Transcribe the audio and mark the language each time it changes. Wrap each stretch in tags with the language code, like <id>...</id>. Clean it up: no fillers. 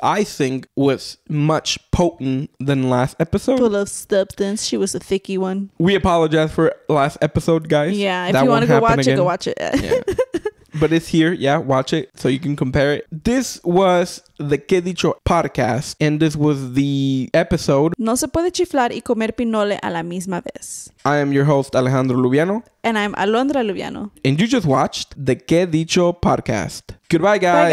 <en>I think was much potent than last episode. Full of substance. She was a thicky one. We apologize for last episode, guys. Yeah, if that you want to go watch again. It, go watch it. Yeah. But it's here. Yeah, watch it so you can compare it. This was the KEDICHO Podcast, and this was the episode.</en> <es>No se puede chiflar y comer pinole a la misma vez.</es> <en>I am your host, Alejandro Lubiano. And I'm Alondra Lubiano. And you just watched the KEDICHO Podcast. Goodbye, guys.</en>